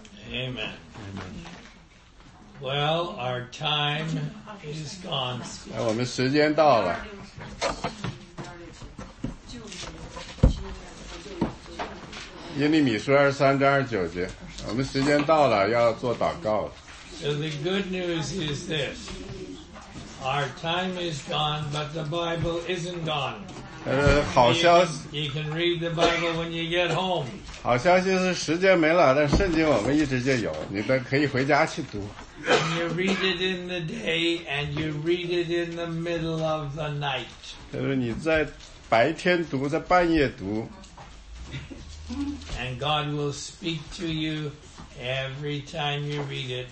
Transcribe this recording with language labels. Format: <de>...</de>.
<en>Amen. Well, our time is gone.</en> <zh>来，我们时间到了。耶利米书23章29节，我们时间到了，要做祷告了。</zh> <en>So the good news is this. Our time is gone, but the Bible isn't gone.</en> <zh>好消息。</zh> <en>You can read the Bible when you get home.</en> <zh>好消息是时间没了，但圣经我们一直就有，你们可以回家去读。</zh> <en>And you read it in the day, and you read it in the middle of the night.</en> <zh>就是你在白天读，在半夜读。</zh> <en>And God will speak to you every time you read it.</en>